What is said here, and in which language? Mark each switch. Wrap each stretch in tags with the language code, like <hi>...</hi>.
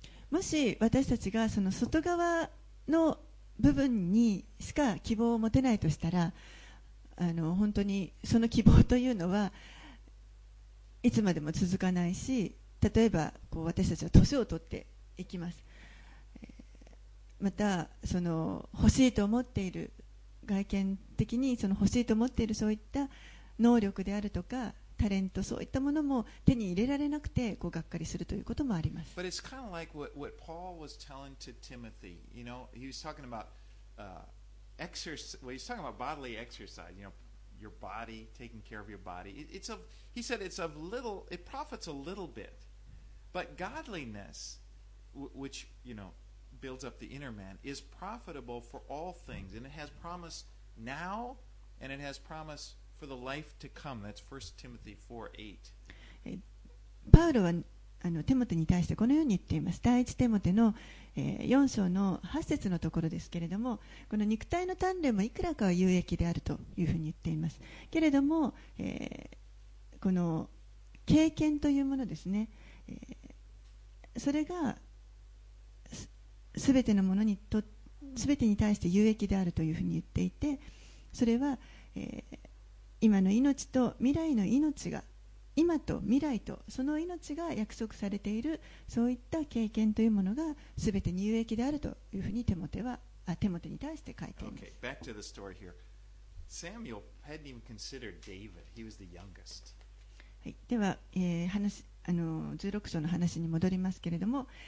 <ja>もし私たちがその外側の部分にしか希望を持てないとしたら、本当にその希望というのはいつまでも続かないし、例えばこう私たちは年を取っていきます。またその欲しいと思っている、外見的にその欲しいと思っているそういった能力であるとかタレント、そういったものも手に入れられなくてこうがっかりするということもあります。</ja> <en>But it's kind of like what Paul was telling to Timothy. You know, he was talking about exercise. Well, he's talking about bodily exercise. You know, your body, taking care of your body. He said it's of little, it profits a little bit. But godliness, which, you know,builds up the inner man is profitable for all things and it has promise now and it has promise for the life to come. That's 1 Timothy 4:8.</en> <ja>パウロはテモテに対してこのように言っています。第一テモテの、4章の8節のところですけれども、この肉体の鍛錬もいくらかは有益であるというふうに言っていますけれども、この経験というものですね、それがすべてのものにと、すべてに対して有益であるというふうに言っていて、それは、今の命と未来の命が、今と未来とその命が約束されている、そういった経験というものがすべてに有益であるというふうにテモテに対して書いています。</ja> <en>Okay, back to the story here. Samuel hadn't even considered David. He was the youngest.</en> <ja>はい、では、16章の話に戻りますけれども、</ja>